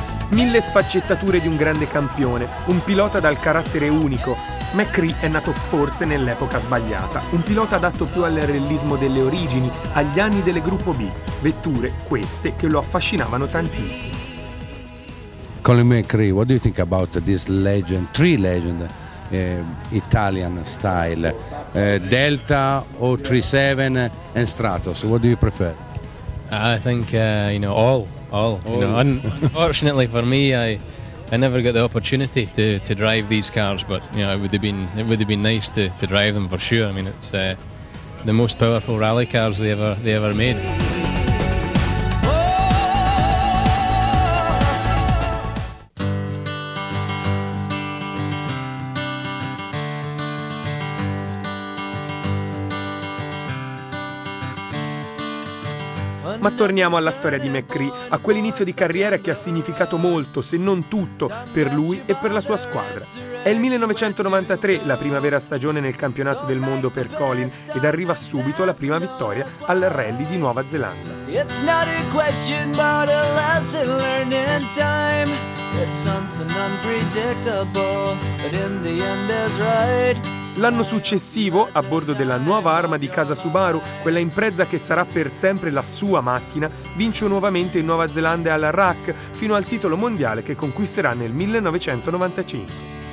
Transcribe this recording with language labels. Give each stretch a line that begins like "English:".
Italian: Mille sfaccettature di un grande campione, un pilota dal carattere unico. McCree è nato forse nell'epoca sbagliata, un pilota adatto più al realismo delle origini, agli anni delle Gruppo B, vetture queste che lo affascinavano tantissimo.
English: Colin McCree, what do you think about this legend, three legend Italian style, Delta o 37 and Stratos? What do you prefer? I think all. Unfortunately for me, I never got the opportunity to drive these cars, but you know it would have been nice to drive them for sure. I mean it's the most powerful rally cars they ever made.
Italian: Ma torniamo alla storia di McCree, a quell'inizio di carriera che ha significato molto, se non tutto, per lui e per la sua squadra. È il 1993, la prima vera stagione nel campionato del mondo per Colin, ed arriva subito la prima vittoria al Rally di Nuova Zelanda.
English: It's not a question but a lesson learned in time. It's something unpredictable, but in the end is right.
Italian: L'anno successivo, a bordo della nuova arma di casa Subaru, quella Impreza che sarà per sempre la sua macchina, vince nuovamente in Nuova Zelanda alla RAC, fino al titolo mondiale che conquisterà nel 1995.